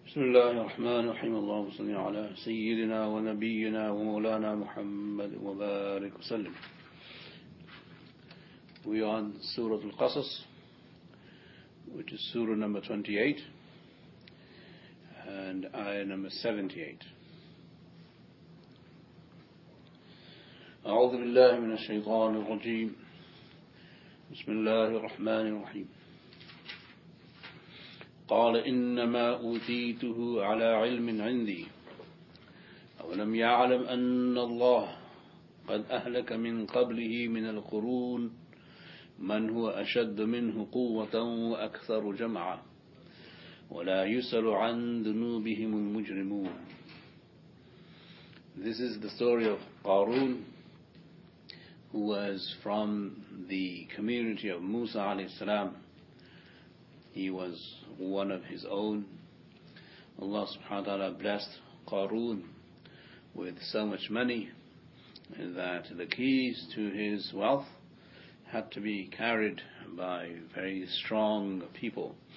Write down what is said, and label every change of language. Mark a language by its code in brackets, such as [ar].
[ar] بسم الله الرحمن الرحيم اللهم صل على سيدنا ونبينا ومولانا محمد وبارك وسلم. [en] We are on Surah Al-Qasas, which is Surah number 28 and Ayah number 78. [ar] أعوذ بالله من الشيطان الرجيم بسم الله الرحمن الرحيم قال إنما أوتيته على علم عندي أولم يعلم أن الله قد أهلك من قبله من القرون من هو أشد منه قوة وأكثر جمعا ولا يسأل عن ذنوبهم المجرمون. [en] This is the story of Qaroun, who was from the community of Musa عليه السلام. He was one of his own. Allah subhanahu wa ta'ala blessed Qaroun with so much money that the keys to his wealth had to be carried by very strong people.